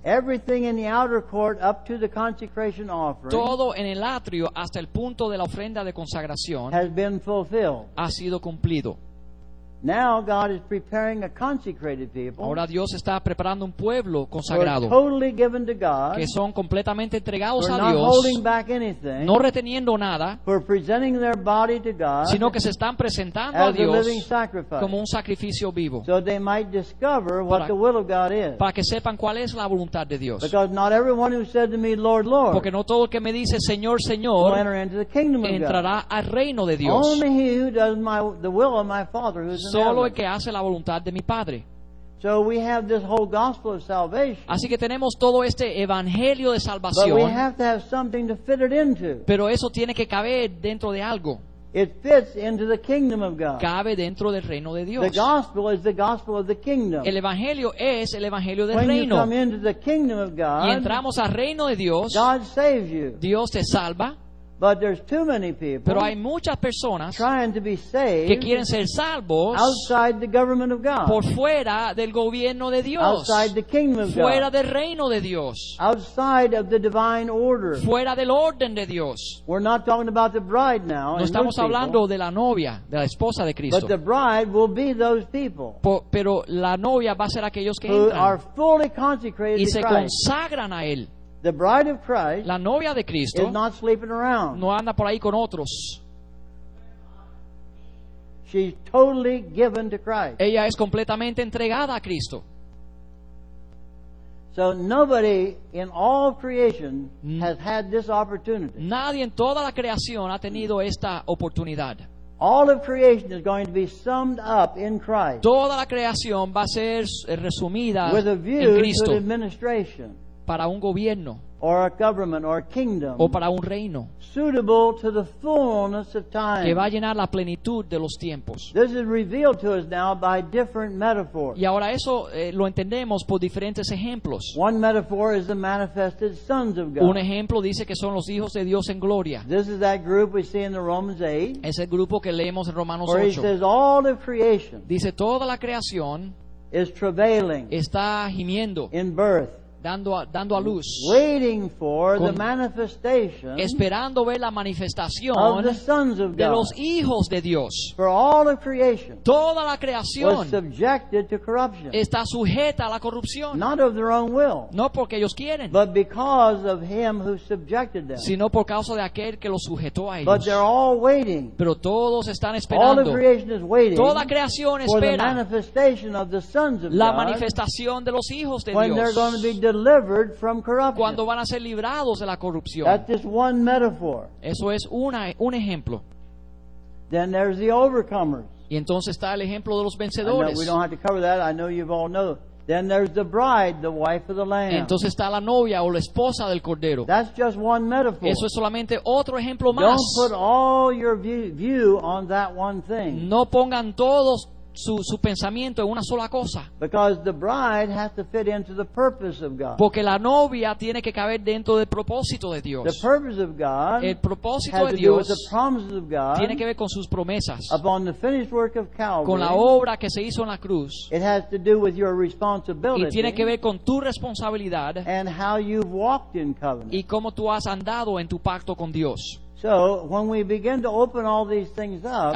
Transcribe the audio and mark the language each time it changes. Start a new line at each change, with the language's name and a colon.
English: Everything in the outer court up to the consecration offering,
Spanish: todo en el atrio hasta el punto de la ofrenda de consagración,
English: has been fulfilled,
Spanish: ha sido cumplido.
English: Now God is preparing a consecrated people.
Spanish: Ahora Dios está preparando un pueblo consagrado.
English: Totally given to God,
Spanish: que son completamente entregados a Dios.
English: Not holding back anything,
Spanish: no reteniendo nada.
English: For presenting their body to God,
Spanish: sino que se están presentando
English: as
Spanish: a Dios
English: a living sacrifice,
Spanish: como un sacrificio vivo.
English: So they might discover what the will of God is.
Spanish: Para que sepan cuál es la voluntad de Dios.
English: Because not everyone who said to me, Lord, Lord,
Spanish: porque no todo el que me dice Señor, Señor,
English: will enter into the kingdom of God.
Spanish: Entrará al reino de Dios.
English: Only he who does the will of my Father who is
Spanish: solo el que hace la voluntad de mi Padre.
English: So we have this whole gospel of salvation.
Spanish: Así que tenemos todo este evangelio de salvación.
English: But we have to have something to fit it into.
Spanish: Pero eso tiene que caber dentro de algo.
English: It fits into the kingdom of God.
Spanish: Cabe dentro del reino de Dios.
English: The gospel is the gospel of the kingdom.
Spanish: El evangelio es el evangelio del
English: when
Spanish: reino.
English: When you come into the kingdom of God,
Spanish: y entramos al reino de Dios,
English: God saves you.
Spanish: Dios te salva.
English: But there's too many people.
Spanish: Pero hay muchas personas
English: trying to be saved
Spanish: que quieren ser salvos
English: outside the government of God.
Spanish: Por fuera del gobierno de Dios.
English: Outside the kingdom of God.
Spanish: Fuera del reino de Dios.
English: Outside of the divine order.
Spanish: Fuera del orden de Dios.
English: We're not talking about the bride now.
Spanish: No estamos hablando de la novia, de la esposa de Cristo.
English: But the bride will be those people.
Spanish: Pero la novia va a ser aquellos que entran
English: who are fully consecrated
Spanish: y se consagran a él.
English: The bride of Christ,
Spanish: la novia de Cristo,
English: is not sleeping around.
Spanish: No anda por ahí con otros.
English: She's totally given to Christ.
Spanish: Ella es completamente entregada a Cristo.
English: So nobody in all creation has had this opportunity.
Spanish: Nadie en toda la creación ha tenido esta oportunidad.
English: All of creation is going to be summed up in Christ.
Spanish: Toda la creación va a ser resumida en Cristo.
English: With a view to the administration.
Spanish: Para un gobierno
English: or a government or a kingdom,
Spanish: o para un reino
English: suitable to the fullness of time,
Spanish: que va a llenar la plenitud de los tiempos.
English: This is revealed to us now by different metaphors.
Spanish: Y ahora eso lo entendemos por diferentes ejemplos.
English: One metaphor is the manifested sons of God.
Spanish: Un ejemplo dice que son los hijos de Dios en gloria.
English: This is that group we see in the Romans 8.
Spanish: Es el grupo que leemos en Romanos
English: 8. Where he says all of creation,
Spanish: dice toda la creación,
English: is travailing,
Spanish: está gimiendo,
English: in birth,
Spanish: dando a luz,
English: waiting for the manifestation,
Spanish: esperando ver la manifestación
English: of the sons of God,
Spanish: de los hijos de Dios.
English: For all of creation,
Spanish: toda la creación
English: was subjected to corruption,
Spanish: está sujeta a la corrupción,
English: not of their own will,
Spanish: no porque ellos quieren,
English: but because of him who subjected them,
Spanish: sino por causa de aquel que los sujetó a ellos.
English: But they're all waiting,
Spanish: pero todos están esperando.
English: All of creation is waiting,
Spanish: toda creación espera
English: for the manifestation of the sons of
Spanish: la
English: God,
Spanish: manifestación de los hijos de
English: when
Spanish: Dios.
English: They're going to be delivered from corruption.
Spanish: Cuando van a ser librados de la corrupción.
English: That's just one metaphor.
Spanish: Eso es un ejemplo.
English: Then there's the overcomers.
Spanish: Y entonces está el ejemplo de los vencedores.
English: I know we don't have to cover that. I know you've all know. Then there's the bride, the wife of the Lamb.
Spanish: Entonces está la novia o la esposa del cordero.
English: That's just one metaphor.
Spanish: Eso es solamente otro ejemplo más.
English: Don't put all your view on that one thing.
Spanish: No pongan todos su pensamiento en una sola cosa.
English: Because the bride has to fit into the purpose of God.
Spanish: Porque la novia tiene que caber dentro del propósito de Dios.
English: The purpose of God,
Spanish: el propósito
English: has to
Spanish: Dios
English: do with the promises of God,
Spanish: tiene que ver con sus promesas.
English: Upon the finished work of Calvary,
Spanish: con la obra que se hizo en la cruz.
English: It has to do with your responsibility,
Spanish: y tiene que ver con tu responsabilidad,
English: and how you've walked in covenant,
Spanish: y cómo tú has andado en tu pacto con Dios.
English: So when we begin to open all these things up,